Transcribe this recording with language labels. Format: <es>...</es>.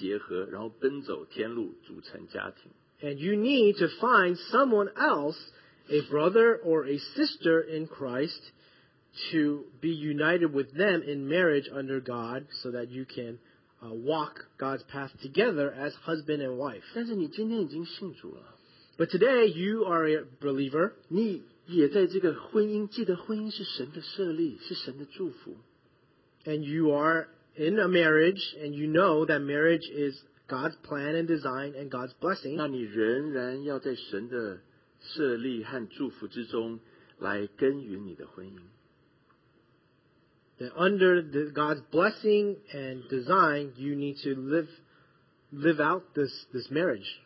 <zh>你要得到神的祝福，你就要在主里面找到一位弟兄，找到一位姊妹，一同的在神的面前结合，然后奔走天路，组成家庭。</zh> <en>And you need to find someone else, a brother or a sister in Christ, to be united with them in marriage under God, so that you can walk God's path together as husband and wife.</en> <zh>但是你今天已经信主了。</zh> <en>But today you are a believer.</en> <zh>你也在这个婚姻，记得婚姻是神的设立，是神的祝福。</zh> <en>And you are in a marriage, and you know that marriage is God's plan and design and God's blessing.</en> <zh>那你仍然要在神的设立和祝福之中来耕耘你的婚姻。</zh> <en>Then under the God's blessing and design, you need to live out this marriage.</en>